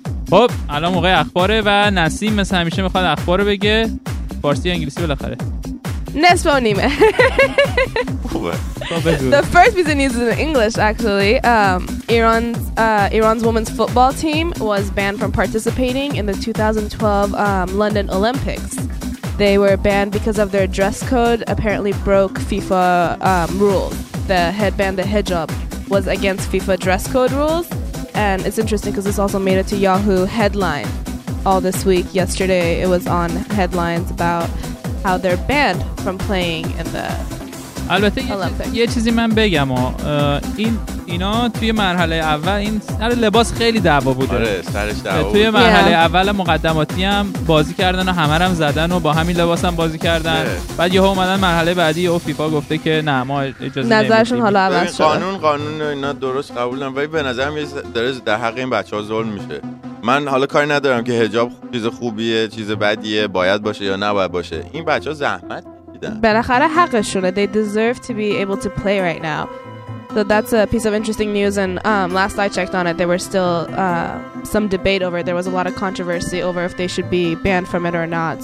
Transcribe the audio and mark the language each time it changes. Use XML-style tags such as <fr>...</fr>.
<fa>خب، الان موقع اخباره و نسیم مثل همیشه میخواد اخبار رو بگه فارسی یا انگلیسی بالاخره. نصف و نیمه.</fa> <en>The first piece of news is in English, actually. Iran's women's football team was banned from participating in the 2012 London Olympics. They were banned because of their dress code apparently broke FIFA rules. The headband, the hijab, was against FIFA dress code rules. And it's interesting because this also made it to Yahoo headline all this week. Yesterday, it was on headlines about how they're banned from playing in the...</en> <fa>البته یه چیزی من بگم و این اینا توی مرحله اول این سر لباس خیلی دعوا بوده. آره سرش دعوا بود. توی مرحله اول مقدماتی هم بازی کردن و همه هم زدن و با همین لباس هم بازی کردن. بعد یهو اومدن مرحله بعدی و فیفا گفته که نه ما اجازه نمیدیم. نظرشون حالا عوض شده. قانون اینا درست قبول ندارم ولی به نظرم یه درز در حق این بچه‌ها ظلم میشه. من حالا کاری ندارم که حجاب چیز خوبیه چیز بدیه باید باشه یا نباید باشه. این بچه‌ها زحمت بالاخره حقشونه.</fa> <en>They deserve to be able to play right now. So that's a piece of interesting news. And last I checked on it, there were still some debate over it. There was a lot of controversy over if they should be banned from it or not.</en>